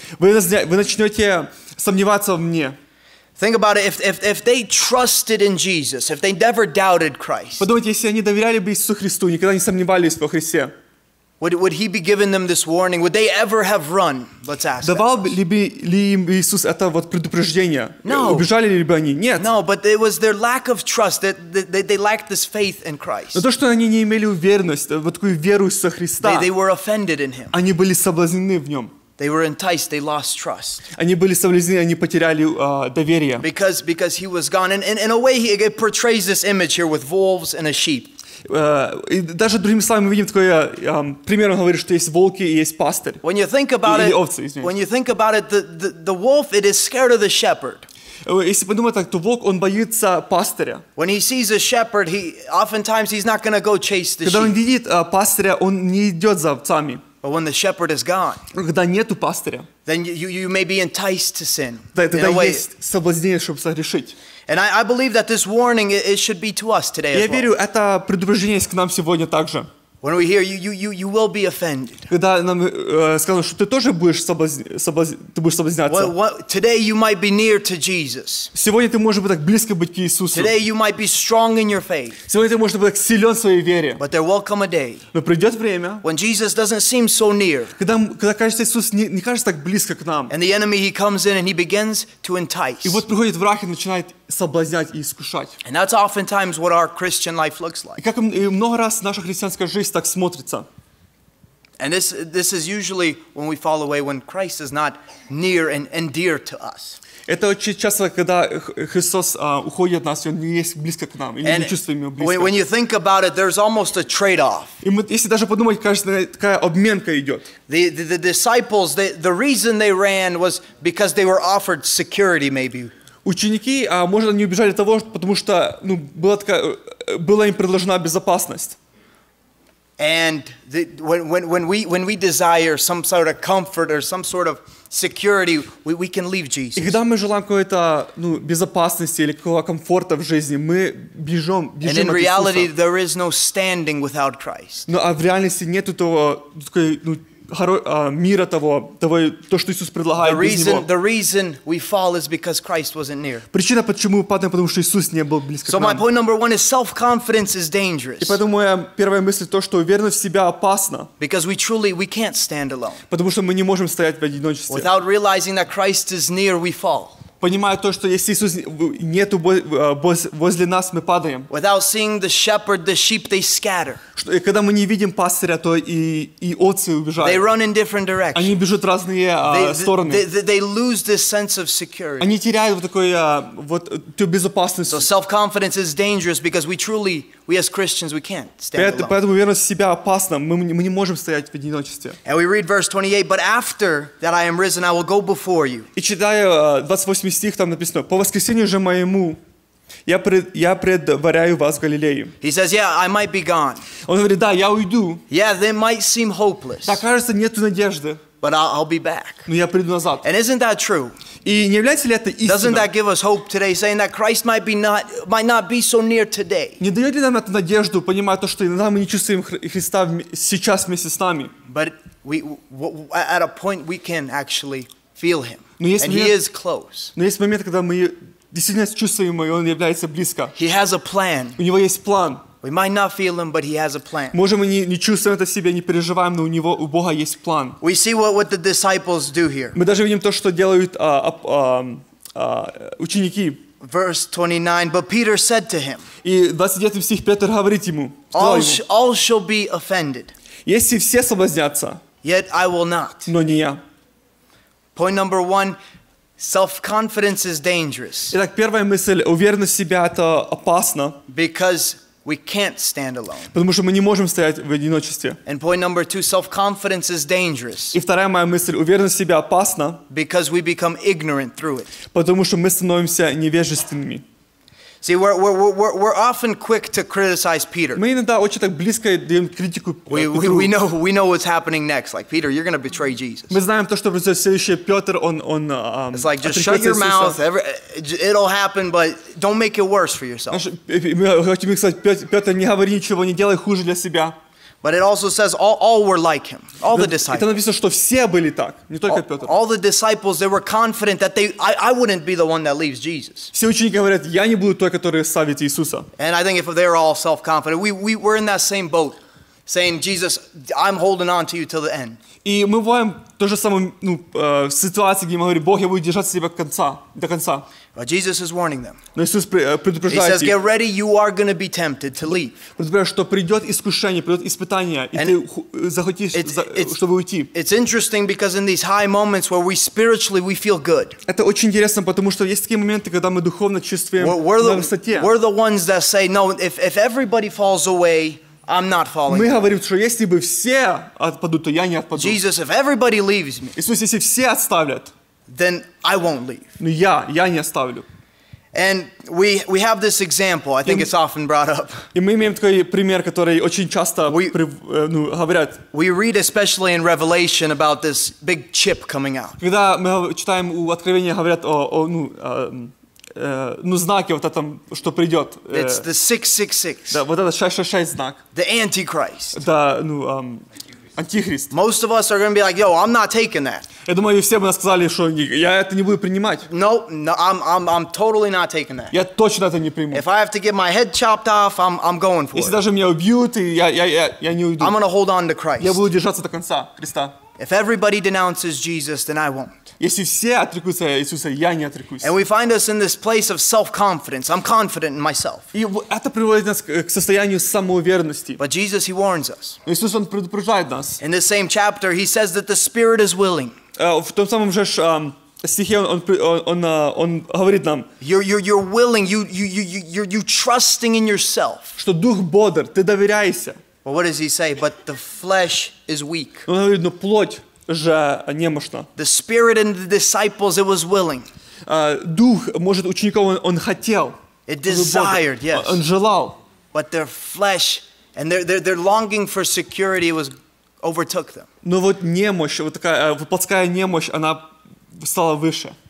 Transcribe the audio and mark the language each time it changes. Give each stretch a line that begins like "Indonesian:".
Russian: Вы начнете сомневаться в мне.
English: Think about it. If they trusted in Jesus, if they never doubted Christ.
Russian: Подумайте, если они доверяли бы Иисусу Христу, никогда не сомневались во Христе.
English: Would he be giving them this warning? Would they ever have run? Let's ask.
Russian: Давал ли им Иисус это вот предупреждение?
English: No.
Russian: Убежали ли бы они? Нет.
English: No, but it was their lack of trust that they lacked this faith in Christ.
Russian: Но то, что они не имели уверенность, вот такую веру в Христа.
English: They were offended in him.
Russian: Они были соблазнены в нем.
English: They were enticed, they lost trust.
Russian: Они были соблазнены, они потеряли доверие.
English: Because he was gone. And in a way, it portrays this image here with wolves and a sheep.
Russian: И даже другими словами, мы видим такой пример, он говорит, что есть волки и есть пастырь.
English: When you think about
Russian: или
English: it,
Russian: овцы, извините.
English: When you think about it, the wolf, it is scared of the shepherd.
Russian: Если подумать так, то волк, он боится пастыря.
English: When he sees a shepherd, oftentimes he's not going to go chase the
Russian: когда Когда он видит пастыря, он не идет за овцами.
English: But when the shepherd is gone,
Russian: когда нету пастыря,
English: then you may be enticed to sin.
Russian: Тогда есть соблазнение, чтобы согрешить.
English: And I believe that this warning it should be to us today.
Russian: Я верю, это предупреждение есть к нам сегодня также.
English: When we hear you will be offended.
Russian: Когда нам сказано, что ты тоже будешь соблазняться.
English: Today you might be near to Jesus.
Russian: Сегодня ты можешь быть так близко быть к Иисусу.
English: Today you might be strong in your faith.
Russian: Сегодня ты можешь быть так силен в своей вере.
English: But there will come a day.
Russian: Но придет время.
English: When Jesus doesn't seem so near.
Russian: Когда кажется, Иисус не кажется так близко к нам.
English: And the enemy he comes in and he begins to entice.
Russian: И вот приходит враг и начинает соблазнять и искушать.
English: And that's oftentimes what our Christian life looks like.
Russian: И много раз наша христианская жизнь так смотрится.
English: And this is usually when we fall away, when Christ is not near and dear to us.
Russian: Это очень часто, когда Христос уходит от нас, и Он не есть близко к нам, или мы чувствуем Его близко.
English: When you think about it, there's almost a trade-off.
Russian: И мы, если даже подумать, кажется, такая обменка идет.
English: The disciples, the reason they ran was because they were offered security, maybe.
Russian: Ученики, а может, они убежали от того, потому что ну, была, такая, была им предложена безопасность.
English: And when we desire some sort of comfort or some sort of security, we can leave Jesus.
Russian: И когда мы желаем какой-то ну безопасности или какого комфорта в жизни, мы бежим от Иисуса.
English: And in reality, there is no standing without Christ.
Russian: Ну а в реальности нет этого такой ну мира того то, что Иисус предлагает без него.
English: The reason we fall is because Christ wasn't near.
Russian: Причина, почему мы падаем, потому что Иисус не был близко к нам.
English: So my point number one is self-confidence is dangerous.
Russian: И поэтому моя первая мысль то, что уверенность в себя опасна.
English: Because we truly can't stand alone.
Russian: Потому что мы не можем стоять в одиночестве.
English: Without realizing that Christ is near, we fall.
Russian: Понимая то, что если Иисус нету возле нас, мы падаем.
English: Without seeing the shepherd, the sheep, they scatter.
Russian: Когда мы не видим пастыря, то и овцы убежали.
English: They run in different directions.
Russian: Они бежат в разные стороны.
English: They lose this sense of security.
Russian: Они теряют вот такую вот ту безопасность.
English: So self-confidence is dangerous because we as Christians, we can't stand alone.
Russian: Поэтому уверенность в себя опасна. Мы не можем стоять в одиночестве.
English: And we read verse 28, but after that I am risen, I will go before you.
Russian: И читая 28 стих, там написано, по воскресению же моему я предваряю вас в Галилею.
English: He says, yeah, I might be gone.
Russian: Он говорит, да, я уйду.
English: Yeah, they might seem hopeless.
Russian: Так кажется, нету надежды.
English: But I'll be back.
Russian: Но я приду назад.
English: And isn't that true?
Russian: И не является ли это истиной?
English: Doesn't that give us hope today, saying that Christ might not be so near today?
Russian: Не дает ли нам эту надежду, понимая то, что иногда мы не чувствуем Христа сейчас вместе с нами?
English: But at a point we can actually feel Him, and He is close.
Russian: Но есть момент, когда мы действительно чувствуем Его, и Он является близко.
English: He has a plan.
Russian: У Него есть план.
English: We might not feel him, but he has a plan.
Russian: Можем мы не чувствуем это в себе, не переживаем, но у Бога есть план.
English: We see what the disciples do here.
Russian: Мы даже видим то, что делают ученики.
English: Verse 29. But Peter said to him.
Russian: И 29 стих Петр говорит ему.
English: All shall be offended.
Russian: Если все соблазнятся.
English: Yet I will not.
Russian: Но не я.
English: Point number one. Self-confidence is dangerous.
Russian: Итак, первая мысль. Уверенность в себя это опасно.
English: Because we can't stand alone.
Russian: Потому что мы не можем стоять в одиночестве.
English: And point number two, self-confidence is dangerous.
Russian: И вторая моя мысль, уверенность в себе опасна.
English: Because we become ignorant through it.
Russian: Потому что мы становимся невежественными.
English: See, we're often quick to criticize Peter.
Russian: Мы иногда очень так близко даем критику Петру.
English: We know what's happening next. Like Peter, you're going to betray Jesus.
Russian: Мы знаем то, что следующее Петр он.
English: It's like just shut your mouth. It'll happen, but don't make it worse for yourself.
Russian: Мы хотим сказать, Петр, не говори ничего, не делай хуже для себя.
English: But it also says all were like him. All the disciples.
Russian: Это написано, что все были так, не только Петр.
English: All the disciples, they were confident that I wouldn't be the one that leaves Jesus.
Russian: Все ученики говорят, я не буду той, которая оставит Иисуса.
English: And I think if they're all self-confident, we were in that same boat, saying, Jesus, I'm holding on to you till the end.
Russian: И мы бываем то же самое, ну, в ситуации, где мы говорим, Бог, я буду держаться тебя до конца.
English: But Jesus is warning them.
Russian: Но Иисус предупреждает.
English: He says, get ready, you are going to be tempted to leave.
Russian: Предупреждает, что придет искушение, придет испытание, и ты захочешь, чтобы уйти.
English: It's interesting because in these high moments where we spiritually we feel good.
Russian: Это очень интересно, потому что есть такие моменты, когда мы духовно чувствуем на высоте.
English: We're the ones that say, no, if everybody falls away, I'm not falling.
Russian: Мы говорим, что если бы все отпадут, то я не отпаду.
English: Jesus, if everybody leaves me.
Russian: Иисус, если все отставят,
English: then I won't leave.
Russian: Ну я не оставлю.
English: And we have this example. I think it's often brought up.
Russian: И мы имеем такой пример, который очень часто говорят.
English: We read especially in Revelation about this big chip coming out.
Russian: Когда мы читаем у Откровения, говорят о знаке вот этом, что придет.
English: It's the 666.
Russian: Да, вот этот 666 знак.
English: The Antichrist.
Russian: Да, ну Антихрист.
English: Most of us are going to be like, yo, I'm not taking that.
Russian: Я думаю, все бы сказали, что я это не буду принимать.
English: No, I'm totally not taking that.
Russian: Я точно это не приму.
English: If I have to get my head chopped off, I'm going for it.
Russian: Если даже меня убьют, я не уйду.
English: I'm going to hold on to Christ.
Russian: Я буду держаться до конца Христа.
English: If everybody denounces Jesus, then I won't.
Russian: Если все отрекутся Иисуса, я не отрекусь.
English: And we find us in this place of self-confidence. I'm confident in myself.
Russian: И это приводит нас к состоянию самоуверенности.
English: But Jesus, he warns us.
Russian: Иисус, он предупреждает нас.
English: In the same chapter, he says that the Spirit is willing.
Russian: В том самом же стихе он говорит нам.
English: You're willing. You're trusting in yourself.
Russian: Что дух бодр, ты доверяйся.
English: Well, what does he say? But the flesh is weak.
Russian: Он говорит, ну плоть же немощна.
English: The spirit and the disciples, it was willing.
Russian: Дух, может, учеников он хотел.
English: It desired, yes.
Russian: Он желал.
English: But their flesh and their longing for security was overtook them.
Russian: Но вот немощь, вот такая плотская немощь, она стала выше.